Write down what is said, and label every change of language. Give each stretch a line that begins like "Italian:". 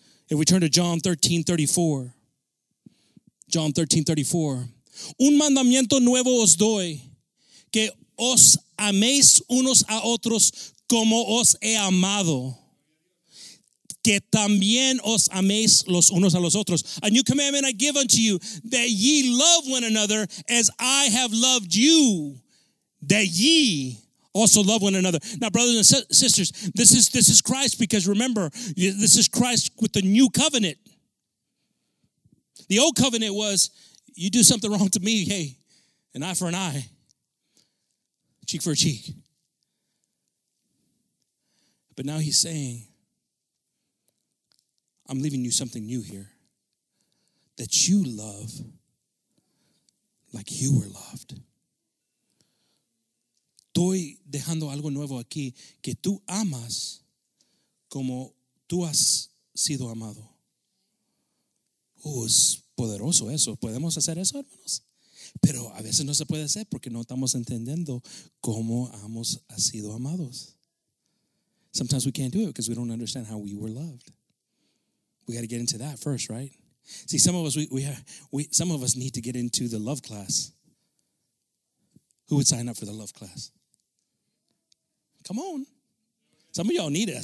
English: If we turn to John 13:34.
Spanish: Un mandamiento nuevo os doy, que os améis unos a otros como os he amado. Que también os améis los unos a los otros.
English: A new commandment I give unto you, that ye love one another as I have loved you, that ye also love one another. Now, brothers and sisters, this is Christ, because remember, this is Christ with the new covenant. The old covenant was, you do something wrong to me, hey, an eye for an eye, cheek for a cheek. But now he's saying, I'm leaving you something new here, that you love like you were loved.
Spanish: Estoy dejando algo nuevo aquí, que tú amas como tú has sido amado. Oh, es poderoso eso. ¿Podemos hacer eso, hermanos? Pero a veces no se puede hacer porque no estamos entendiendo cómo hemos sido amados.
English: Sometimes we can't do it because we don't understand how we were loved. We got to get into that first, right? See, some of us need to get into the love class. Who would sign up for the love class? Come on. Some of y'all need it.